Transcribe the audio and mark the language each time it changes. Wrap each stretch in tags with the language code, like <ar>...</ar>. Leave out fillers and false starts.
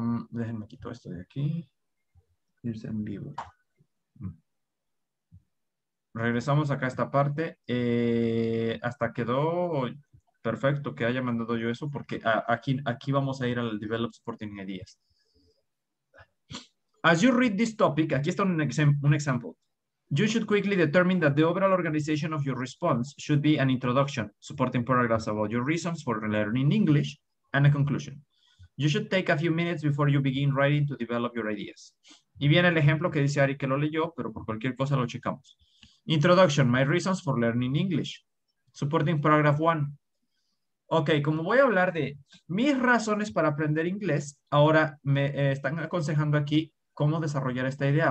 <es>Déjenme quito esto de aquí. Irse en vivo. Regresamos acá a esta parte. Hasta quedó perfecto que haya mandado yo eso, porque aquí vamos a ir al Develop Supporting Ideas.</es> <en>As you read this topic,</en> <es>aquí está un</es> <en>example. You should quickly determine that the overall organization of your response should be an introduction, supporting paragraphs about your reasons for learning English, and a conclusion. You should take a few minutes before you begin writing to develop your ideas.</en> <es>Y viene el ejemplo que dice Ari que lo leyó, pero por cualquier cosa lo checamos.</es> <en>Introduction, my reasons for learning English. Supporting paragraph one.</en> <es>Ok, como voy a hablar de mis razones para aprender inglés, ahora me están aconsejando aquí cómo desarrollar esta idea.</es>